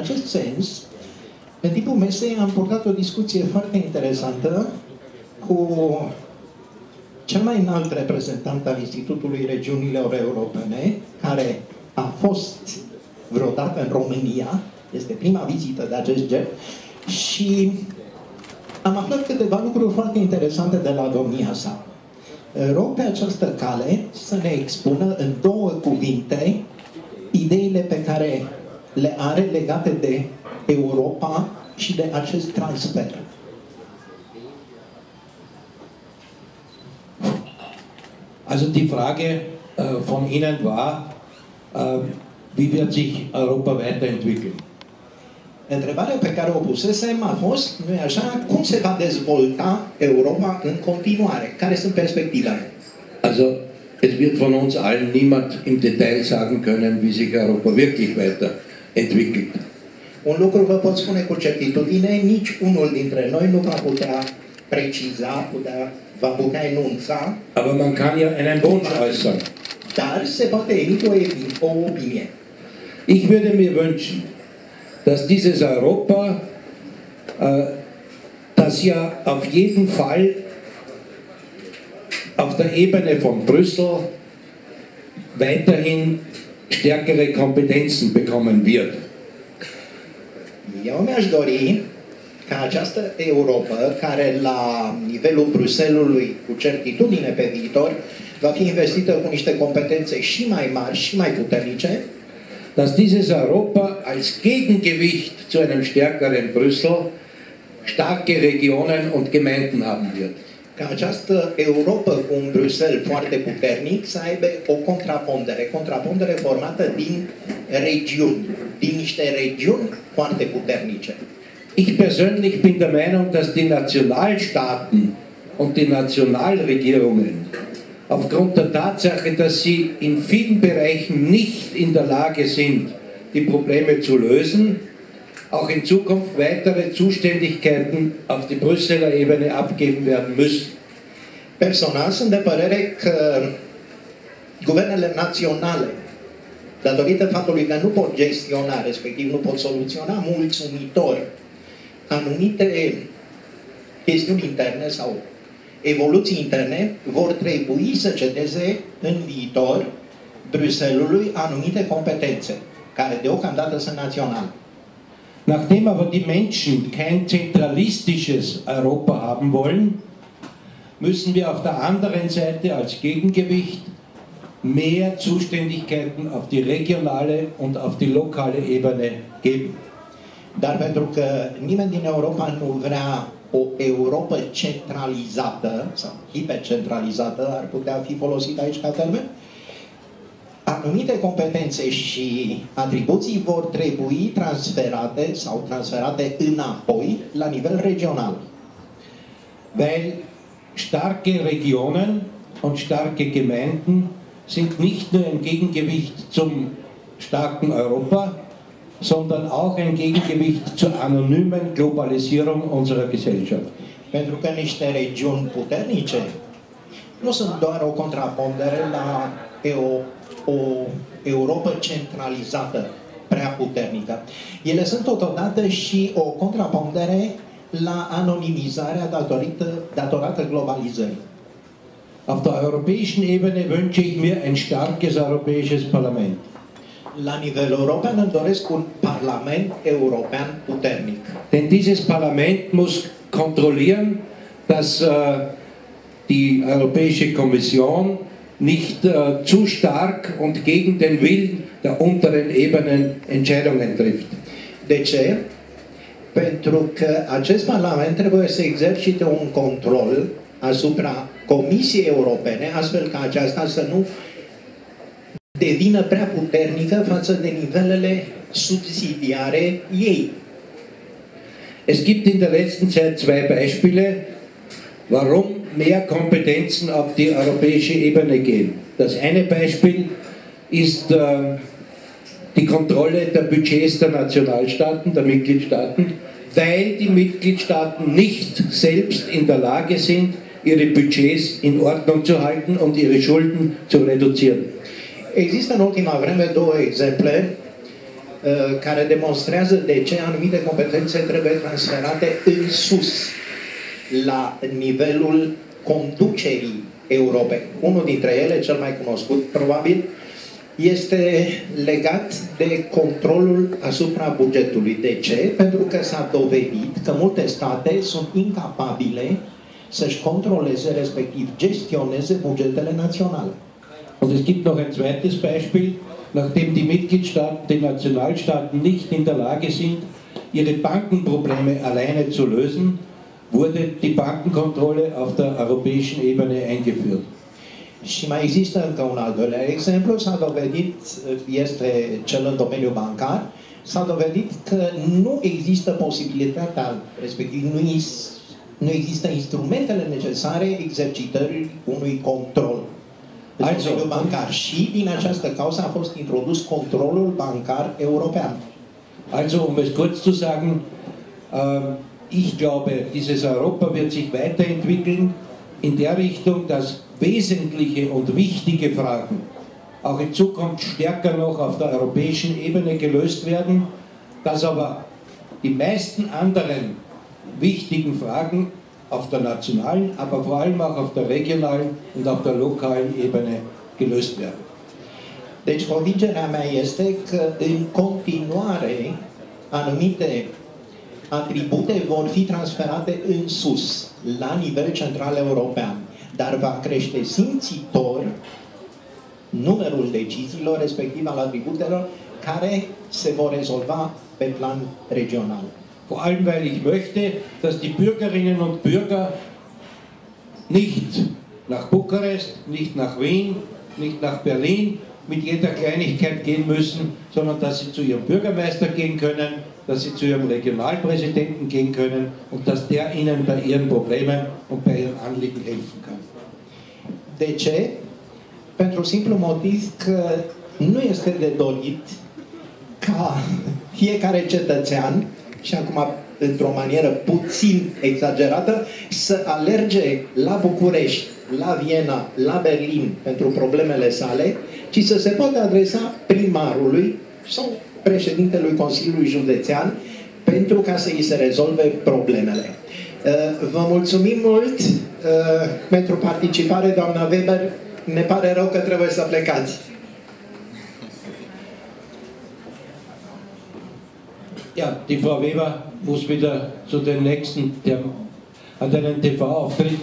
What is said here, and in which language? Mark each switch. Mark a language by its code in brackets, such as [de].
[ro] În acest sens, în timpul mesei am purtat o discuție foarte interesantă cu cel mai înalt reprezentant al Institutului Regiunilor Europene, care a fost vreodată în România, este prima vizită de acest gen, și am aflat câteva lucruri foarte interesante de la domnia sa. Rog pe această cale să ne expună în două cuvinte ideile pe care le are legate de Europa și de acest transfer. [de] Also die Frage von Ihnen war, wie wird sich Europa weiterentwickeln? [ro] Întrebarea pe care o pusesem a fost, nu-i așa, cum se va dezvolta Europa în continuare? Care sunt perspectivele? [de] Also, es wird von uns allen niemand im Detail sagen können, wie sich Europa wirklich weiterentwickelt. [ro] Un lucru vă pot spune cu certitudine, nici unul dintre noi nu va putea preciza, va putea enunța. [de] Aber man kann ja einen Wunsch äußern. [ro] Dar se poate emite o opinie. [de] Ich würde mir wünschen, dass dieses Europa, das ja auf jeden Fall auf der Ebene von Brüssel weiterhin stärkere Kompetenzen bekommen wird. [ro] Eu mi-aș dori ca această Europa, care la nivelul Bruselului, cu certitudine pe viitor, va fi investită cu niște competențe și mai mari și mai puternice, [de] dass dieses Europa als Gegengewicht zu einem stärkeren Brüssel starke Regionen und Gemeinden haben wird. [ro] Ca această Europa cu un Brüssel foarte puternic să aibă o contrapondere, contrapondere formată din regiuni, din niște regiuni foarte puternice. [de] Ich persönlich bin der Meinung, dass die Nationalstaaten und die Nationalregierungen aufgrund der Tatsache, dass sie in vielen Bereichen nicht in der Lage sind, die Probleme zu lösen, auch in Zukunft weitere Zuständigkeiten auf die Brüsseler Ebene abgeben werden müssen. [ro] Personal sunt de părere că guvernele naționale, datorită faptului că nu pot gestiona, respectiv nu pot soluționa mulțumitor anumite chestiuni interne sau evoluții interne, vor trebui să cedeze în viitor Bruxellesului anumite competențe, care deocamdată sunt naționale. [de] Nachdem aber die Menschen kein zentralistisches Europa haben wollen, müssen wir auf der anderen Seite als Gegengewicht mehr Zuständigkeiten auf die regionale und auf die lokale Ebene geben. [ro] Dar pentru că nimeni din Europa nu vrea o Europa centralizată sau hipercentralizată, ar putea fi folosit aici ca termen, anumite competențe și atribuții vor trebui transferate sau transferate înapoi la nivel regional. [de] Weil starke Regionen und starke Gemeinden sind nicht nur ein Gegengewicht zum starken Europa, sondern auch ein Gegengewicht zur anonymen Globalisierung unserer Gesellschaft. [ro] Pentru că niște regiuni puternice nu sunt doar o contrapondere la o Europa centralizată prea puternică. Ele sunt totodată și o contrapondere la anonimizarea datorată globalizării. [de] Auf der europäischen Ebene wünsche ich mir ein starkes europäisches Parlament. [ro] La nivel european îmi doresc un parlament european puternic. [de] Denn dieses Parlament muss kontrollieren, dass die Europäische Kommission nicht zu stark und gegen den Willen der unteren Ebenen Entscheidungen trifft. [ro] De ce? Pentru că acest parlament trebuie să exercite un control asupra Comisiei Europene, astfel ca aceasta să nu devină prea puternică față de nivelele subsidiare ei. [de] Es gibt in der letzten Zeit zwei Beispiele, warum mehr Kompetenzen auf die europäische Ebene gehen. Das eine Beispiel ist die Kontrolle der Budgets der Nationalstaaten, der Mitgliedstaaten, weil die Mitgliedstaaten nicht selbst in der Lage sind, ihre Budgets in Ordnung zu halten und ihre Schulden zu reduzieren. [ro] Există în ultima vreme două exemple care demonstrează de ce anumite competențe trebuie transferate în sus la nivelul conducerii Europei. Unul dintre ele, cel mai cunoscut probabil, este legat de controlul asupra bugetului. De ce? Pentru că s-a dovedit că multe state sunt incapabile să-și controleze, respectiv gestioneze bugetele naționale. [de] Und es gibt noch ein zweites Beispiel, nachdem die Mitgliedstaaten, die Nationalstaaten nicht in der Lage sind, ihre Bankenprobleme alleine zu lösen, wurde die Bankenkontrolle auf der europäischen Ebene eingeführt. [ro] Și mai există încă un al doilea exemplu, s-a dovedit, este cel în domeniul bancar, s-a dovedit că nu există posibilitatea, respectiv nu există instrumentele necesare exercitării unui control în domeniul bancar. Și din această cauză a fost introdus controlul bancar european. [de] Also, um es kurz zu sagen, ich glaube, dieses Europa wird sich weiterentwickeln in der Richtung, dass wesentliche und wichtige Fragen auch in Zukunft stärker noch auf der europäischen Ebene gelöst werden, dass aber die meisten anderen wichtigen Fragen auf der nationalen, aber vor allem auch auf der regionalen und auf der lokalen Ebene gelöst werden. [ro] Deci, convingerea mea este că, în continuare, anumite atribute vor fi transferate în sus, la nivel central european, dar va crește simțitor numărul deciziilor, respectiv al atributelor, care se vor rezolva pe plan regional. [de] Vor allem, weil ich möchte, dass die Bürgerinnen und Bürger nicht nach Bucharest, nicht nach Wien, nicht nach Berlin, mit jeder Kleinigkeit gehen müssen, sondern dass sie zu ihrem Bürgermeister gehen können, dass sie zu ihrem Regionalpräsidenten gehen können und dass der ihnen bei ihren Problemen und bei ihren Anliegen helfen kann. [ro] De ce? Pentru simplu motiv că nu este de dorit ca fiecare cetățean, și acum într-o manieră puțin exagerată, să alerge la București, la Viena, la Berlin pentru problemele sale, ci să se poată adresa primarului sau președintelui Consiliului Județean pentru ca să îi se rezolve problemele. Vă mulțumim mult pentru participare, doamna Weber. Ne pare rău că trebuie să plecați. [de] Ja, die Frau Weber muss wieder zu den nächsten an deinen TV-Auftritt.